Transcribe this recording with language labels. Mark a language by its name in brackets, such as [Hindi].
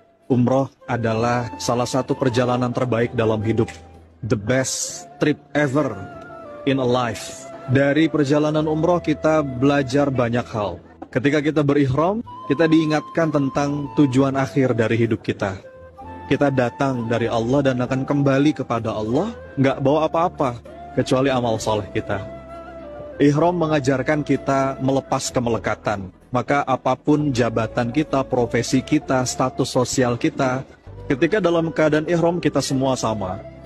[Indonesian] Umroh adalah salah satu perjalanan terbaik dalam hidup. [English] The best trip ever in a life. [Indonesian] Dari perjalanan umroh kita belajar banyak hal. Ketika kita berihram, kita diingatkan tentang tujuan akhir dari hidup kita. Kita datang dari Allah dan akan kembali kepada Allah, nggak bawa apa-apa, kecuali amal soleh kita. Ihram mengajarkan kita melepas kemelekatan. Maka apapun jabatan kita, profesi kita, status sosial kita, ketika dalam keadaan ihram kita semua sama.